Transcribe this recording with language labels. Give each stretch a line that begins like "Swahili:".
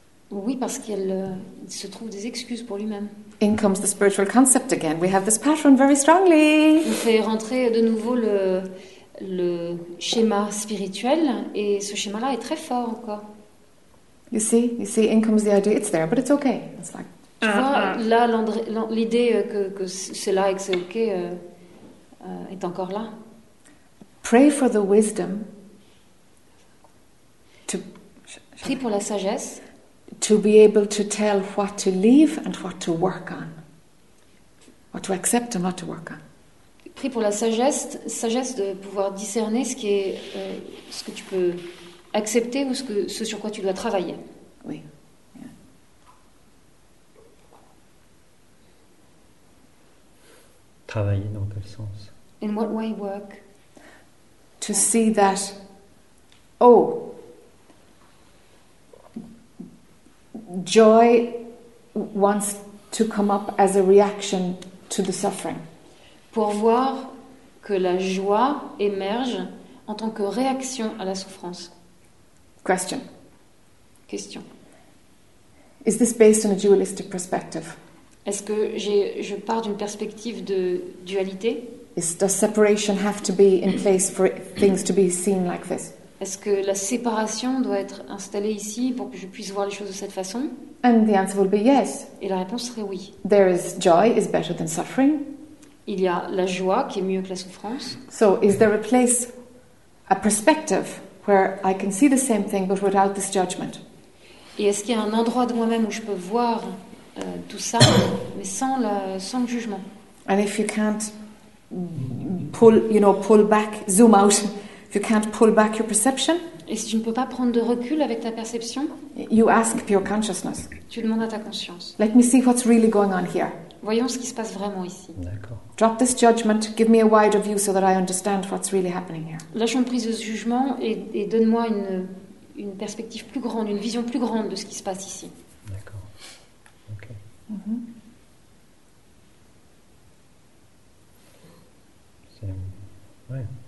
French: Oui, parce qu'il se trouve des excuses pour lui-même.
English: In comes the spiritual concept again. We have this pattern very strongly.
French: Il fait rentrer de nouveau le schéma spirituel, et ce schéma-là est très fort encore.
English: You see, in comes the idea, it's there, but it's okay. It's like,
French: tu vois, là, l'idée que c'est là et que c'est ok est encore là.
English: Pray for the wisdom.
French: Prie pour la sagesse.
English: To be able to tell what to leave and what to work on. What to accept and what to work on.
French: Prie pour la sagesse de pouvoir discerner ce qui est ce que tu peux accepter ou ce sur quoi tu dois travailler. Oui.
English: Yeah.
French: Travailler dans quel sens?
English: In what way work? To see that, oh, joy wants to come up as a reaction to the suffering.
French: Pour voir que la joie émerge en tant que réaction à la souffrance.
English: Question. Is this based on a dualistic perspective?
French: Est-ce que je pars d'une perspective de dualité?
English: Does separation have to be in place for things to be seen like this?
French: Est-ce que la séparation doit être installée ici pour que je puisse voir les choses de cette façon?
English: And the answer will be yes.
French: Et la réponse serait oui.
English: There is joy is better than suffering.
French: Il y a la joie qui est mieux que la souffrance.
English: So is there a place, a perspective, where I can see the same thing but without this judgment?
French: Et est-ce qu'il y a un endroit de moi-même où je peux voir tout ça, mais sans le jugement?
English: And if you can't pull back, zoom out, if you can't pull back your perception,
French: et si tu ne peux pas prendre de recul avec ta perception,
English: you ask pure consciousness.
French: Tu demandes à ta conscience.
English: Let me see what's really going on here.
French: Voyons ce qui se passe vraiment ici. D'accord.
English: Drop this judgment. Give me a wider view so that I understand what's really happening here.
French: Lâchons prise de ce jugement et donne-moi une perspective plus grande, une vision plus grande de ce qui se passe ici. D'accord. Ok. Ouais.